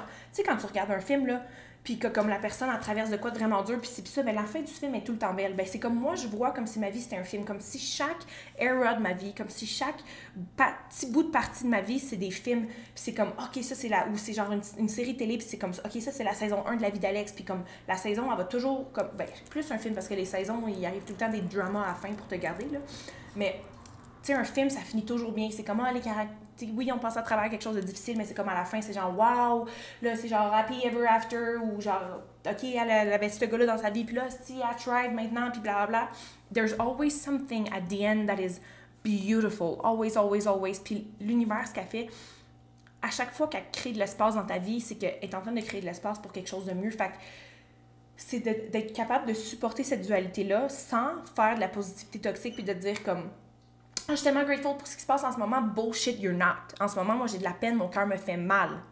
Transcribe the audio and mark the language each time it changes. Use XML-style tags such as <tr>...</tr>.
<fr>Genre, tu sais, quand tu regardes un film, là, puis que comme la personne elle traverse de quoi de vraiment dur, puis ça, mais la fin du film est tout le temps belle. Ben c'est comme moi, je vois comme si ma vie c'était un film, comme si chaque era de ma vie, comme si chaque petit bout de partie de ma vie c'est des films, puis c'est comme ok, ça c'est là, ou c'est genre une série télé, puis c'est comme ok, ça c'est la saison 1 de la vie d'Alex, puis comme la saison elle va toujours comme, ben plus un film parce que les saisons il arrive tout le temps des dramas à la fin pour te garder là, mais tu sais, un film ça finit toujours bien, c'est comment les caractères. T'sais, oui, on passe à travers quelque chose de difficile, mais c'est comme à la fin, c'est genre « wow », là, c'est genre «</fr> <en>happy ever after</en> <fr>», ou genre « ok, elle avait ce gars-là dans sa vie, puis là, si,</fr> <en>I tried</en> <fr>maintenant », puis blablabla.</fr> <en>There's always something at the end that is beautiful, always, always, always.</en> <fr>Puis l'univers, ce qu'elle fait, à chaque fois qu'elle crée de l'espace dans ta vie, c'est qu'elle est en train de créer de l'espace pour quelque chose de mieux. Fait que c'est d'être capable de supporter cette dualité-là sans faire de la positivité toxique, puis de dire comme « je suis tellement grateful pour ce qui se passe en ce moment.</fr> <en>Bullshit, you're not.</en> <fr>En ce moment, moi, j'ai de la peine, mon cœur me fait mal.</fr>